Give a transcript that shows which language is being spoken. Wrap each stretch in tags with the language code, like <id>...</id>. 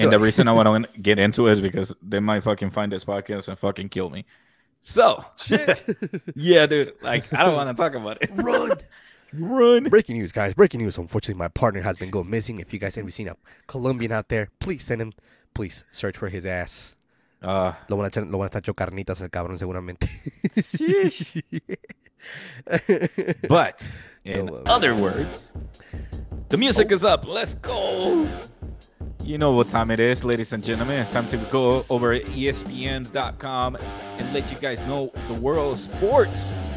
<en>and the reason I want to get into it is because they might fucking find this podcast and fucking kill me. So, shit. Yeah, dude. Like, I don't want to talk about it. Run. Breaking news, guys. Breaking news. Unfortunately, my partner has been going missing. If you guys have seen a Colombian out there, please send him. Please search for his ass.</en> <es>Lo van a estar hecho carnitas el cabrón seguramente.</es> <en>Sheesh. But in other words, the music is up. Let's go. You know what time it is, ladies and gentlemen. It's time to go over at ESPN.com and let you guys know the world of sports.</en>